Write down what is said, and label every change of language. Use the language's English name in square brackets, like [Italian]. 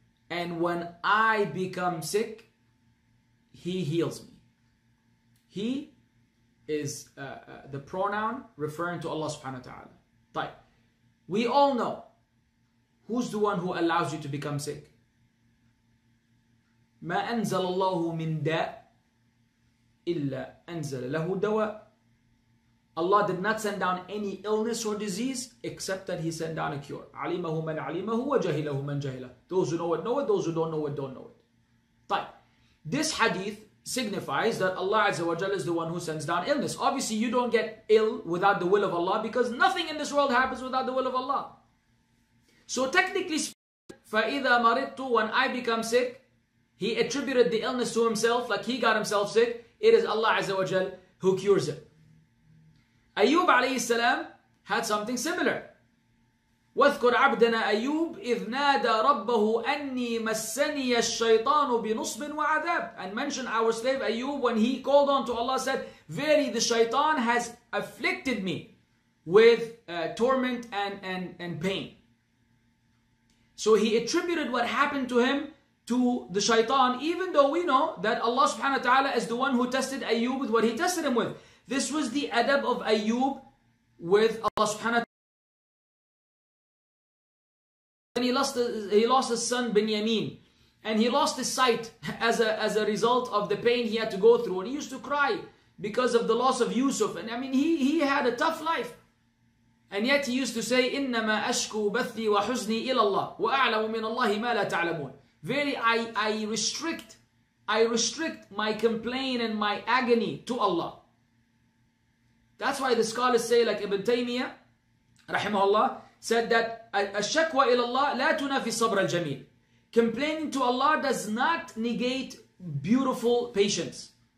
[English] And when I become sick, he heals me. He is the pronoun referring to Allah subhanahu wa ta'ala. [Arabic] طيب. [English] We all know, who's the one who allows you to become sick? [Arabic] ما أنزل الله من داء إلا أنزل له دواء. [English] Allah did not send down any illness or disease except that He sent down a cure. [Arabic] عَلِيمَهُ مَنْ عَلِيمَهُ وَجَهِلَهُ مَنْ جَهِلَهُ. [English] Those who know it, those who don't know it, don't know it. [Arabic] طيب. [English] This hadith signifies that Allah Azza wa Jal is the one who sends down illness. Obviously, you don't get ill without the will of Allah because nothing in this world happens without the will of Allah. So technically speaking, [Arabic] فَإِذَا مَرِضْتُ, [English] when I become sick, he attributed the illness to himself, like he got himself sick, it is Allah Azza wa Jal who cures him. Ayyub alayhi salam had something similar. [Arabic] واذكر عبدنا أيوب إذ نادى ربه أني مسني الشيطان بنصب وعذاب. [English] And mention our slave Ayub when he called on to Allah, said, verily the shaitan has afflicted me with torment and pain. So he attributed what happened to him to the shaitan, even though we know that Allah subhanahu wa ta'ala is the one who tested Ayub with what he tested him with. This was the adab of Ayub with Allah subhanahu wa ta'ala. And he lost his son Binyamin, and he lost his sight as a result of the pain he had to go through. And he used to cry because of the loss of Yusuf. And I mean, he had a tough life. And yet he used to say, [Arabic] إِنَّمَا أَشْكُوا بَثِّي وَحُزْنِي إِلَى اللَّهِ وَأَعْلَمُ مِنَ اللَّهِ مَا لَا تَعْلَمُونَ. [English] Verily, I restrict my complaint and my agony to Allah. That's why the scholars say, like Ibn Taymiyyah, rahimahullah, said that [Arabic] الشكوى إلى الله لا تنافي الصبر الجميل. [English] Complaining to Allah does not negate beautiful patience.